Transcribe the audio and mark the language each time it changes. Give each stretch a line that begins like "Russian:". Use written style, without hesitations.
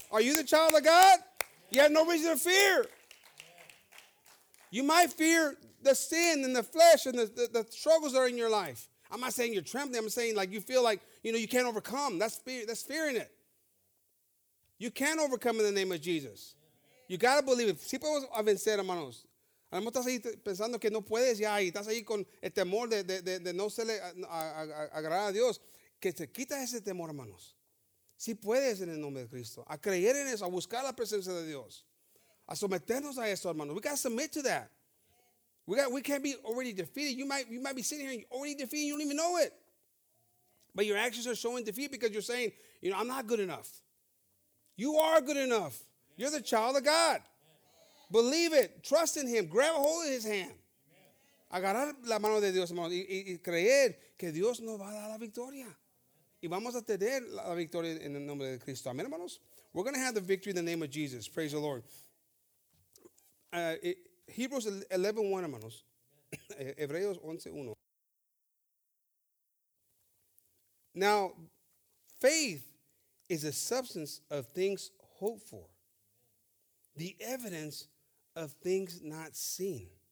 English: Are you the child of God? You have no reason to fear. You might fear the sin and the flesh and the struggles that are in your life. I'm not saying you're trembling. I'm saying like you feel like, you know, you can't overcome. That's fearing it. You can overcome in the name of Jesus. You got to believe it.
Spanish: Si podemos vencer, hermanos. A lo mejor estás ahí pensando que no puedes ya. Y estás ahí con el temor de no serle agradar a Dios. Que te quita ese temor, hermanos. Si puedes en el nombre de Cristo, a creer en eso, a buscar la presencia de Dios, a someternos a eso, hermano.
English: We got to submit to that. We can't be already defeated. You might be sitting here and you're already defeated. You don't even know it. But your actions are showing defeat because you're saying, you know, I'm not good enough. You are good enough. You're the child of God. Believe it. Trust in Him. Grab a hold of His hand.
Spanish: Agarrar la mano de Dios, hermano, y creer que Dios nos va a dar la victoria. Y vamos a tener la victoria en el nombre de Cristo. Amén, hermanos.
English: We're going to have the victory in the name of Jesus. Praise the Lord.
Spanish: Hebrews 11:1, hermanos. Hebreos 11:1.
English: Now, faith is the substance of things hoped for, the evidence of things not seen.